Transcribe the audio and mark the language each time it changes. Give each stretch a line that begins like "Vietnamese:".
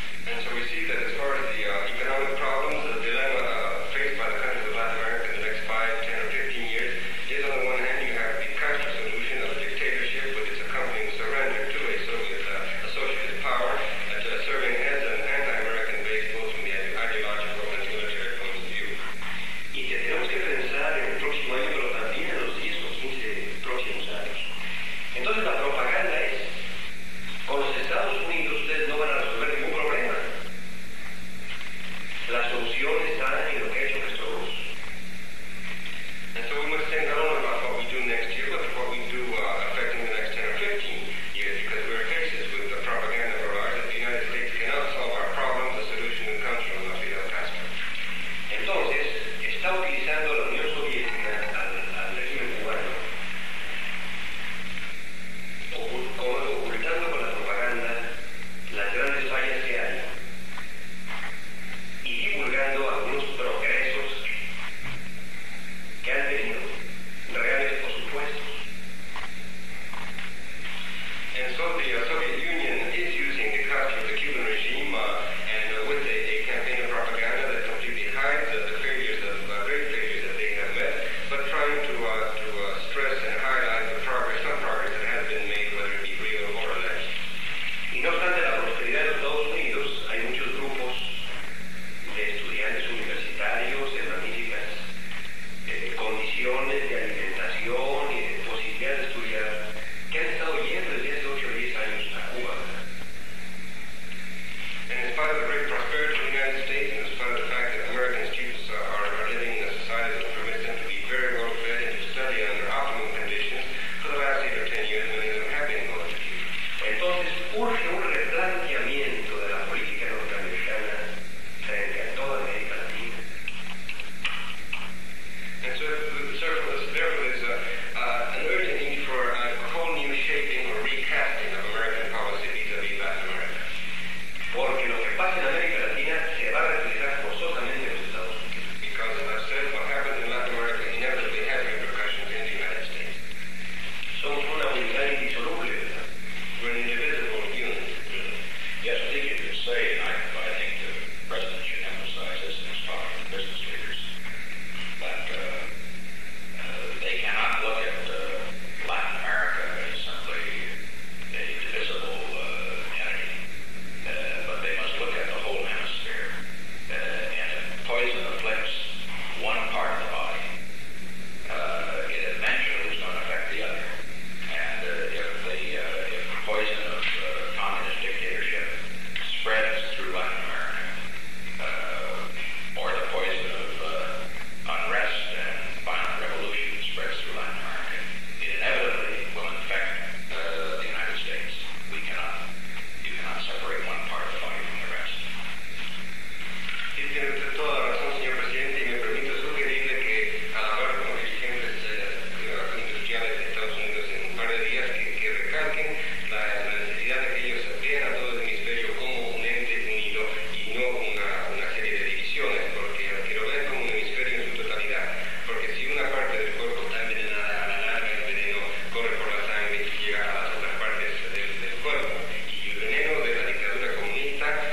English: And so we see that as far as the economic problems, the dilemma faced by the countries of Latin America in the next 5, 10, or 15 years is, on the one hand, you have the counter-solution of a dictatorship with its accompanying surrender to a Soviet, a socialist power, serving as an anti-American base, both from the ideological and military point of view.
Spanish: Y tenemos que pensar en el próximo año, pero también en los 10 o 15 próximos años. Entonces la propaganda es, con los Estados Unidos ustedes no van a resolver ningún problema. La solución está en lo que ha hecho nuestro Rus.
English: And so we must think not only about what we do next year, but what we do affecting the next 10 or 15 years, because we're faced with the propaganda of ours that the United States cannot solve our problems, the solution that comes from Fidel Castro.
Spanish: Entonces, está utilizando la Unión Soviética al régimen cubano, ocultando con la propaganda las grandes fallas que hay y divulgando algunos progresos que han tenido, reales por supuesto.
English: And so the Soviet Union is using the capture of the Cuban regime with a campaign of propaganda that completely hides the failures of great failures that they have met, but trying to stress and highlight the progress, some progress that has been made, whether it be real or alleged.
Spanish: Y no obstante la prosperidad de Estados Unidos, hay muchos grupos de estudiantes universitarios en magníficas condiciones de alimentación y de posibilidad de estudiar que han estado yendo desde hace 8 o 10 años a Cuba.
English: And in spite of the great prosperity of the United States, and in spite of the fact that American students are living in a society that permits them to be very well fed and to study under optimal conditions, for the last 8 or 10 years, many of them have been going to Cuba.
Spanish: Entonces, urge un replanteamiento de la política norteamericana frente a toda América Latina.
English: And so, therefore, there's an urgent need for a whole new shaping or recasting of American policy vis-à-vis Latin America.
Spanish: Porque lo que pasa en América Latina se va a reflejar forzosamente en los Estados Unidos.
English: Because, as I've said, what happens in Latin America inevitably has repercussions in the United States.
Spanish: Somos una unidad indisoluble, ¿verdad?
English: We're an indivisible unit. Really? Yes, I think you could say, I think the President should emphasize this in his talk to business leaders, but they cannot look at Latin America as simply a divisible entity, but they must look at the whole hemisphere. And if poison afflicts one part of the body, it eventually is going to affect the other. And if the poison of communist dictatorship spreads through Latin America, or the poison of unrest and violent revolution spreads through Latin America, it inevitably will infect the United States. You cannot separate one part of the body from the rest.
Spanish: Sí, tiene usted toda la razón, señor presidente, y me permito sugerirle que a la par con dirigentes industriales de Estados Unidos en un par de días que recalquen la necesidad de que ellos vean a todo el hemisferio como un ente unido y no una serie de divisiones, porque que lo vean como un hemisferio en su totalidad, porque si una parte del cuerpo está envenenada, a la larga el veneno corre por la sangre y llega a las otras partes del cuerpo, y el veneno de la dictadura comunista